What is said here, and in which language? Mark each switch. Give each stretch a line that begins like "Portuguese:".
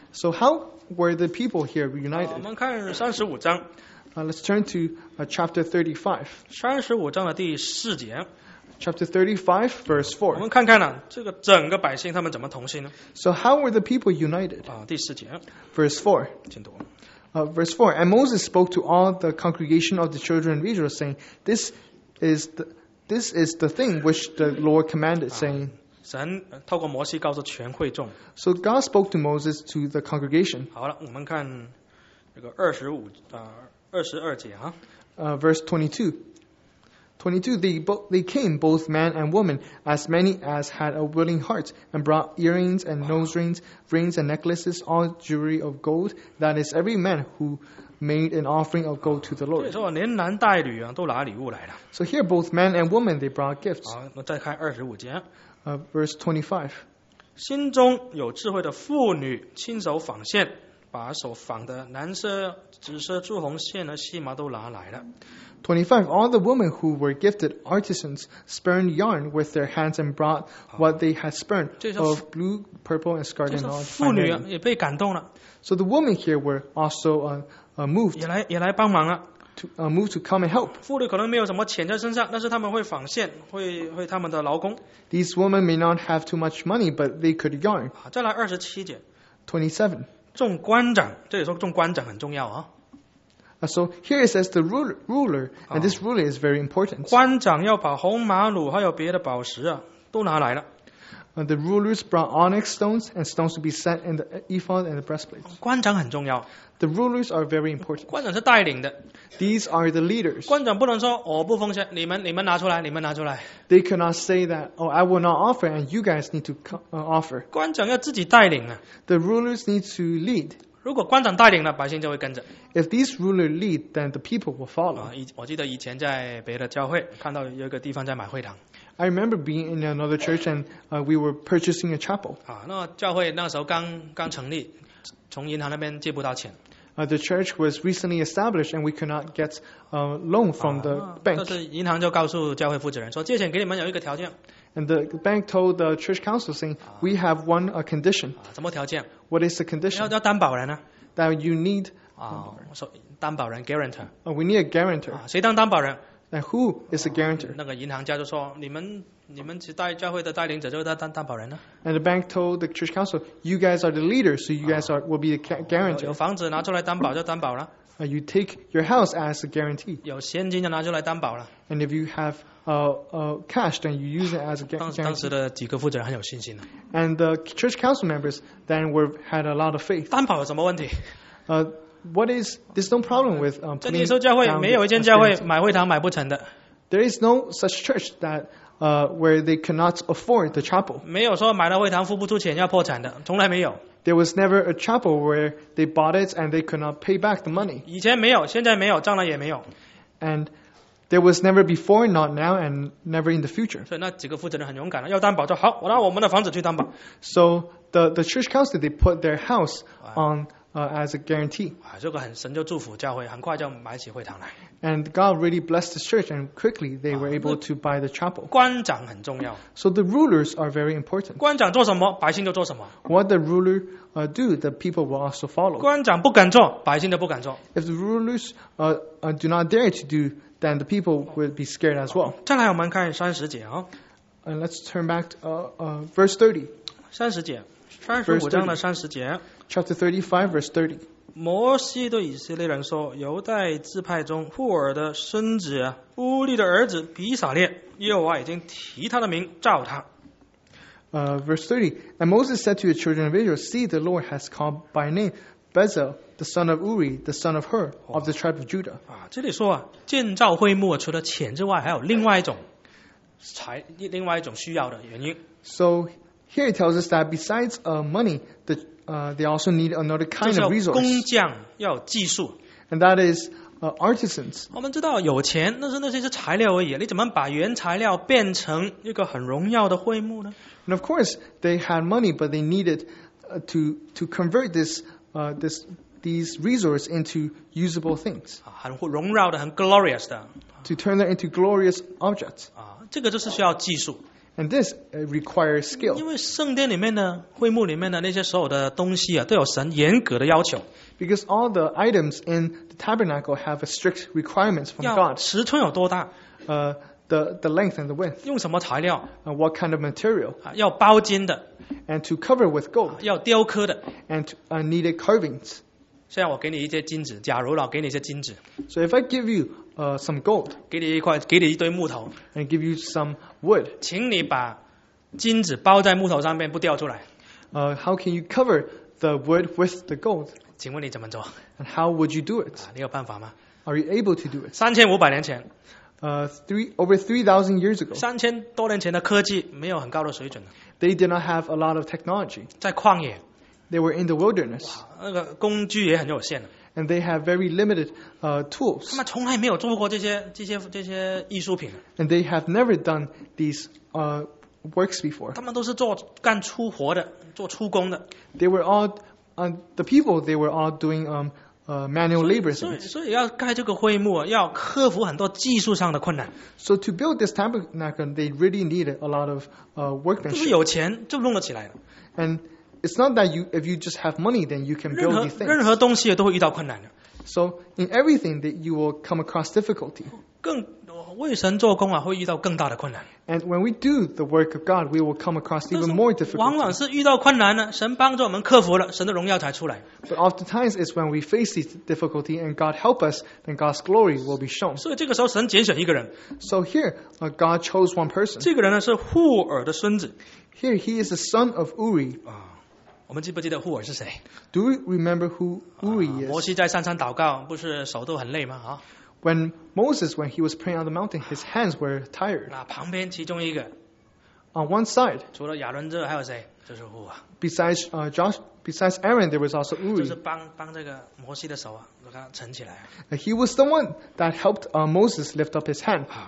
English: ？So how were the people here united?
Chinese: 我们看35章。
English: Let's turn to chapter 35.
Chinese: 35章的第四节。
English: Chapter 35, verse 4.
Chinese: 我们看看呢，这个整个百姓他们怎么同心呢
English: ？So how were the people united?
Chinese: 啊，第四节
English: ，verse 4.
Chinese: 请读。
English: Verse 4. And Moses spoke to all the congregation of the children of Israel, saying, "This is the thing which the Lord commanded, saying."
Chinese: 神透过摩西告诉全会众。
English: So God spoke to Moses to the congregation.
Chinese: 好了，我们看这个二十二节啊。
English: Verse 22. 22, they came, both man and woman, as many as had a willing heart, and brought earrings and nose rings, rings and necklaces, all jewelry of gold, that is every man who made an offering of gold to the Lord.
Chinese: 所以说连男带女啊都拿礼物来了。
English: So here, both man and woman, they brought gifts.
Chinese: 好，那再看25节。
English: Verse 25.
Chinese: 心中有智慧的妇女亲手纺线，把手纺的蓝色、紫色、朱红线和细麻都拿来了。
English: 25. All the women who were gifted artisans spurned yarn with their hands and brought what they had spurned of blue, purple, and scarlet and all.
Chinese: 妇女也被感动了。
English: So the women here were also moved.
Chinese: 也来帮忙了。
English: Move to come and help.
Chinese: 妇女可能没有什么钱在身上，但是他们会纺线，会他们的劳工。
English: These women may not have too much money, but they could yarn.
Chinese: 再来27节。
English: 27.
Chinese: 众官长，这里说众官长很重要啊。
English: So here it says the ruler, and this ruler is very important.
Chinese: 官长要把红玛瑙还有别的宝石啊，都拿来了。
English: The rulers brought onyx stones and stones to be set in the ephod and the breastplate.
Chinese: 官长很重要。
English: The rulers are very important.
Chinese: 官长是带领的。
English: These are the leaders.
Chinese: 官长不能说我不奉献，你们拿出来，你们拿出来。
English: They cannot say that, oh, I will not offer, and you guys need to offer.
Chinese: 官长要自己带领啊。
English: The rulers need to lead.
Chinese: 如果官长带领了，百姓就会跟着。
English: If these rulers lead, then the people will follow.
Chinese: 我记得以前在别的教会看到有一个地方在买会堂。
English: I remember being in another church and we were purchasing a chapel.
Chinese: 那教会那时候刚成立，从银行那边借不到钱。
English: The church was recently established and we could not get a loan from the bank.
Chinese: 但是银行就告诉教会负责人说，借钱给你们有一个条件。
English: And the bank told the church council, saying, we have one condition.
Chinese: 什么条件？
English: What is the condition?
Chinese: 要担保人呢、啊、
English: That you need
Chinese: 担保人 guarantor.
English: We need a guarantor.
Chinese: 谁当担保人
English: ？And who is the guarantor?
Chinese: 那个银行家就说，你们是带教会的带领者，就是担保人呢、啊。
English: And the bank told the church council, you guys are the leaders, so you guys will be the guarantor.
Chinese: 有房子拿出来担保就担保了。
English: You take your house as a guarantee.
Chinese: 有现金就拿出来担保了。
English: And if you have cash, then you use it as a guarantee.
Chinese: 当时的几个负责人很有信心的。
English: And the church council members then had a lot of faith.
Chinese: 担保有什么问题？
English: What is there's no problem with putting down.
Chinese: 这里说教会没有一间教会买会堂买不成的。
English: There is no such church that where they cannot afford the chapel.
Chinese: 没有说买了会堂付不出钱要破产的，从来没有。
English: There was never a chapel where they bought it and they could not pay back the money.
Chinese: 以前没有，现在没有，将来也没有。
English: And there was never before, not now, and never in the future.
Chinese: 所以那几个负责人很勇敢了，要担保就好，我拿我们的房子去担保。
English: So the church council they put their house on as a guarantee.
Chinese: 这个很神就祝福教会，很快就买起会堂来。
English: And God really blessed the church, and quickly they were able to buy the chapel.
Chinese: 官长很重要。
English: So the rulers are very important.
Chinese: 官长做什么，百姓就做什么。
English: What the ruler do, the people will also follow.
Chinese: 官长不敢做，百姓就不敢做。
English: If the rulers do not dare to do,then the people would be scared as well.
Chinese: 再来我们看三十节啊。
English: And let's turn back to verse 30.
Chinese: 三十节，三十五章的三十节。
English: Chapter 35, verse 30.
Chinese: 摩西对以色列人说，犹大支派中户尔的孙子乌利的儿子比撒列，耶和华已经提他的名召他。
English: Verse 30. And Moses said to the children of Israel, See, the Lord has called by name Bezalel. The son of Uri, the son of Hur, of the tribe of Judah.
Chinese: 这里说啊，建造会幕除了钱之外，还有另外一种另外一种需要的原因。
English: So here it tells us that besides money, they also need another kind of resource.
Chinese: 就是工匠要有技术。
English: And that is artisans.
Chinese: 我们知道有钱，但是那些是材料而已。你怎么把原材料变成一个很荣耀的会幕呢
English: ？And of course, they had money, but they needed to convert these resources into usable things.
Chinese: 很荣耀的，很 glorious 的。
English: To turn them into glorious objects.
Chinese: 这个就是需要技术。
English: And this requires skill.
Chinese: 因为圣殿里面的会幕里面的那些所有的东西啊，都有神严格的要求。
English: Because all the items in the tabernacle have a strict requirements from God.
Chinese: 要尺寸有多大？
English: The length and the width.
Chinese: 用什么材料？
English: What kind of material?
Chinese: 要包金的。
English: And to cover with gold.
Chinese: 要雕刻的。
English: And needed carvings.
Chinese: 现在我给你一些金子，假如了，给你一些金子。
English: So if I give you some gold,
Chinese: 给你一堆木头
English: ，and give you some wood,
Chinese: 请你把金子包在木头上面，不掉出来。
English: How can you cover the wood with the gold?
Chinese: 请问你怎么做
English: ？And how would you do it?
Chinese: 你有办法吗
English: ？Are you able to do it?
Chinese: 3500年前。
English: Over 3,000 years ago.
Chinese: 3000多年前的科技没有很高的水准。
English: They did not have a lot of technology.
Chinese: 在旷野。
English: They were in the wilderness.
Chinese: 那个工具也很有限。
English: And they have very limited tools.
Chinese: 他们从来没有做过这些艺术品。
English: And they have never done these works before.
Chinese: 他们都是做干粗活的，做粗工的。
English: They were all, the people. They were all doing, manual labor.
Chinese: 所以要盖这个会幕，要克服很多技术上的困难。
English: So to build this tabernacle, they really needed a lot of, workmanship.
Chinese: 就是有钱就弄得起来了。
English: And it's not that you, if you just have money, then you can build these things.
Chinese: 任何东西都会遇到困难的。
English: So in everything that you will come across difficulty.
Chinese: 更为神做工啊，会遇到更大的困难。
English: And when we do the work of God, we will come across even more difficulty.
Chinese: 往往是遇到困难呢，神帮助我们克服了，神的荣耀才出来。
English: But oftentimes it's when we face this difficulty and God help us, then God's glory will be shown.
Chinese: 所以这个时候神拣选一个人。
English: So here, God chose one person.
Chinese: 这个人呢是户尔的孙子。
English: Here he is the son of Uri.
Chinese: 我们记不记得户尔是谁
English: ？Do we remember who Uri is?
Chinese: 摩西在山上祷告，不是手都很累吗？啊。
English: When Moses, when he was praying on the mountain, his hands were tired.
Chinese: 那旁边其中一个
English: ，on one side.
Chinese: 除了亚伦之外，还有谁？就是户尔。
English: Besides Aaron, there was also Uri.
Chinese: 就是帮这个摩西的手啊，把它撑起来。
English: He was the one that helped Moses lift up his hand.